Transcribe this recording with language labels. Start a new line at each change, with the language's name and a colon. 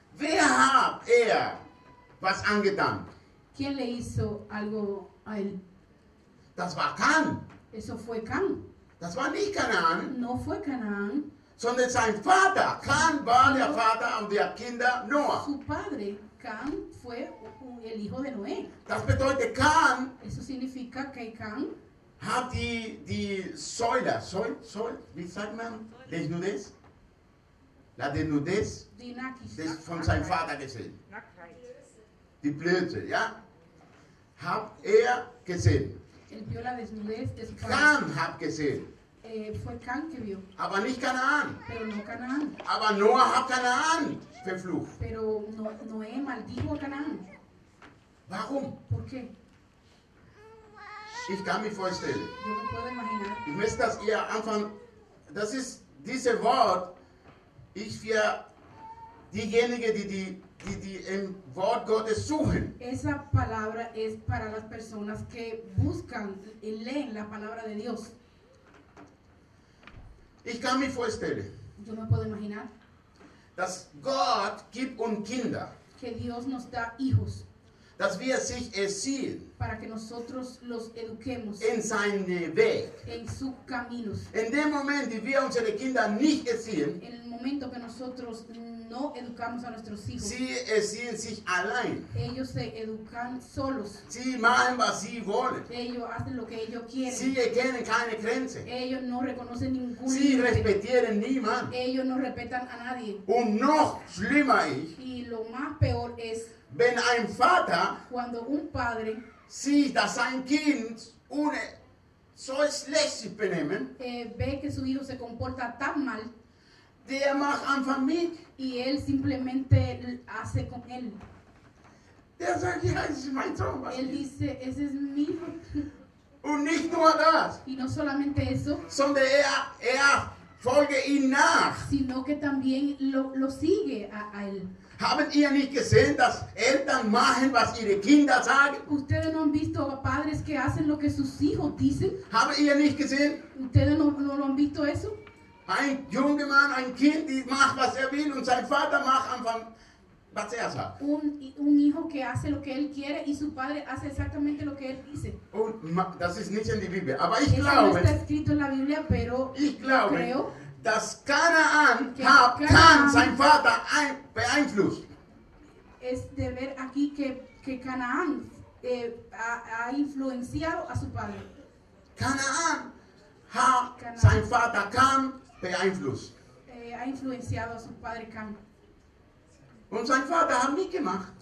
German: Wer hat er was angetan?
Spanish: ¿Quién le hizo algo a él?
German: Das war Can.
Spanish: Eso fue Can.
German: Das war nicht Canaan.
Spanish: No fue Canaan.
German: Sondern sein Vater. Can war no. Der Vater und der Kinder Noah.
Spanish: Su padre, Can, fue el hijo de Noé.
German: Das bedeutet Can.
Spanish: Eso significa que Can.
German: Hat die Säule, wie sagt man, desnudez?
Spanish: La desnudez des,
German: von seinem Vater gesehen. Die Blöße, ja? Hat er gesehen. Can hat gesehen.
Spanish: Fue Can que vio.
German: Aber nicht Canaan.
Spanish: Pero no Canaan.
German: Aber Noah hat Canaan verflucht.
Spanish: Pero no, Noé maldijo a Canaan.
German: Warum?
Spanish: Por qué?
German: Ich kann mir vorstellen.
Spanish: Yo no puedo imaginar.
German: Ich möchte, dass ihr anfangen. Das ist dieses Wort. Ich für diejenigen, die im Wort Gottes suchen.
Spanish: Esa palabra es para las personas que buscan y leen la palabra de Dios.
German: Ich kann mir vorstellen.
Spanish: Yo no puedo imaginar.
German: Dass Gott gibt uns Kinder.
Spanish: Que Dios nos da hijos.
German: Dass wir sich erziehen.
Spanish: Para que nosotros los eduquemos.
German: In seinen Weg.
Spanish: En sus caminos.
German: In dem Moment, die wir unsere Kinder nicht erziehen.
Spanish: En el momento que nosotros no educamos a nuestros hijos.
German: Sie erziehen sich allein.
Spanish: Ellos se educan solos.
German: Sie machen, was sie wollen.
Spanish: Ellos hacen lo que ellos quieren.
German: Sie kennen keine Grenze.
Spanish: Ellos no reconocen ningún límite.
German: Sie respetieren niemand.
Spanish: Ellos no respetan a nadie.
German: Und noch schlimmer ist.
Spanish: Y lo más peor es.
German: Wenn ein Vater
Spanish: cuando un padre
German: sieht, dass sein Kind ohne so schlecht sich benehmen,
Spanish: ve que su hijo se comporta tan mal,
German: der macht einfach mit.
Spanish: Y él simplemente hace con él.
German: Der sagt, ja, es ist mein Sohn.
Spanish: Él dice, ese es mi hijo.
German: Und nicht nur das.
Spanish: Y no solamente eso.
German: Sondern er folge ihm nach.
Spanish: Sino que también lo sigue a él.
German: Haben ihr nicht gesehen, dass Eltern machen, was ihre Kinder sagen?
Spanish: Ustedes no han visto padres que hacen lo que sus hijos dicen?
German: Haben ihr nicht gesehen?
Spanish: Ustedes no han visto eso?
German: Ein junger Mann, ein Kind, die macht, was er will, und sein Vater macht einfach, was er sagt.
Spanish: Un hijo que hace lo que él quiere y su padre hace exactamente lo que él dice.
German: Und das ist nicht in der Bibel, aber ich glaube.
Spanish: Eso no está escrito en la Biblia, pero
German: ich glaube,
Spanish: creo.
German: Dass Canaan kann sein Vater beeinflusst.
Spanish: Es de ver aquí que Canaan ha influenciado a su padre.
German: Canaan hat sein Vater Can beeinflusst.
Spanish: Ha influenciado a su padre Can.
German: Und sein Vater hat mitgemacht.